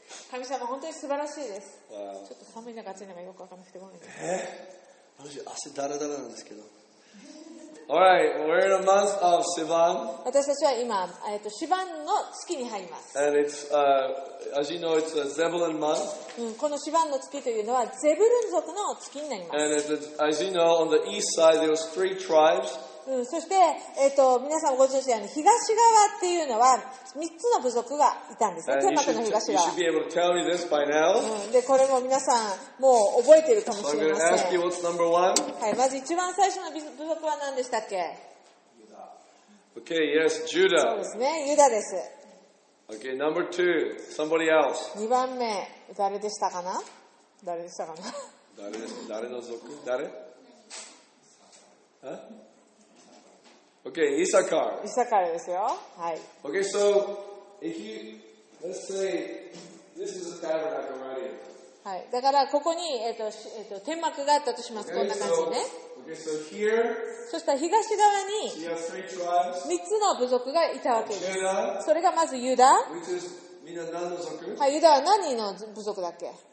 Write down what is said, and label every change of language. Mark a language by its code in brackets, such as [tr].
[ja] 神様本当に素晴らしいです。 [en] Wow. [ja] ちょっと寒い中、暑い中よくわかんなくてごめんなさい。え？私、汗だらだらなんですけど。 [en] All right, we're in a month of Sivan. [ja] 私たちは今、シヴァンの月に入ります。 [en] And it's, as you know, it's a Zebulun month. [ja] うん、このシヴァンの月というのはゼブルン族の月になります。 [en] And it's, as you know, on the east side, there was three tribes. [ja] うん、そして、皆さんご存知のように東側っていうのは3つの部族がいたんですね。天幕の東側。 [en] You should be able to tell me this by now. [ja] うん、でこれも皆さんもう覚えているかもしれません。 [en] So I'm going to ask you what's number one. [ja] はい、まず一番最初の部族は何でしたっけ？ [en] ユダ。Okay, yes, Judah. [ja] そうですね、ユダです。 [en] Okay, number two, somebody else. [ja] 2番目誰でしたかな？誰でしたかな？誰です？誰の族？誰？ [en] Okay, Issachar. [ja] Issachar ですよ。はい。 [en] Okay, so, if you, let's say, this is a tabernacle right here. [ja] はい。だから、ここに、天幕があったとします。 [en] Okay, [ja] こんな感じね。 [en] So, okay, so here, [ja] そしたら東側に、 3 つの部族がいたわけです。 [en] Judah, [ja] それがまずユダ。 [en] Which is, [ja] みんな何の族？はい、ユダは何の部族だっけ？